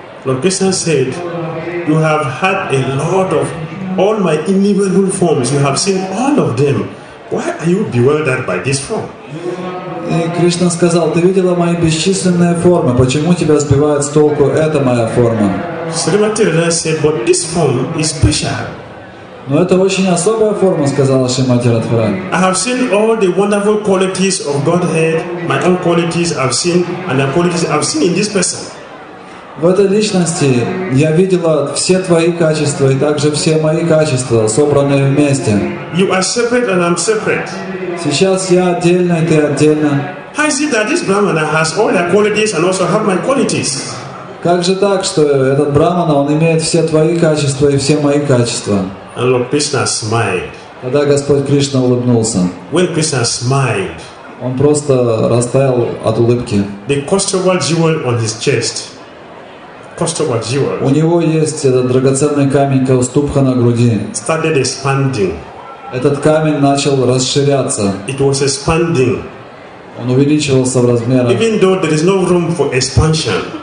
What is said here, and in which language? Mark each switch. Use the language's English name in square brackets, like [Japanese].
[English] Lord Krishna said, you have had a lot of all my innumerable forms. You have seen all of them. Why are you bewildered by this form? [Russian] И Кришна сказал, ты видела мои бесчисленные формы, почему тебя сбивает с толку эта моя форма? [English] Srimati Radharani said, but this form is special. [Russian] Но это очень особая форма, сказала Шримати Радхарани. [English] I have seen all the wonderful qualities of Godhead, my own qualities I've seen, and the qualities I've seen in this person. [Russian] В этой личности я видела все твои качества и также все мои качества, собранные вместе. [English] You are separate and I'm separate. [Russian] Сейчас я отдельно, и ты отдельно. [English] How is it that this Brahmana has all the qualities and also have my qualities? [Russian] Как же так, что этот Брахмана, он имеет все твои качества и все мои качества? [English] And Lord Krishna smiled. [Russian] Когда Господь Кришна улыбнулся. [English] When Krishna smiled. [Russian] Он просто растаял от улыбки. [English] The Kostava jewel on his chest. Kostava jewel. [Russian] У него есть этот драгоценный камень Каустубха на груди. [English] Started expanding. [Russian] Этот камень начал расширяться. [English] It was expanding. [Russian] Он увеличивался в размерах. [English] Even though there is no room for expansion.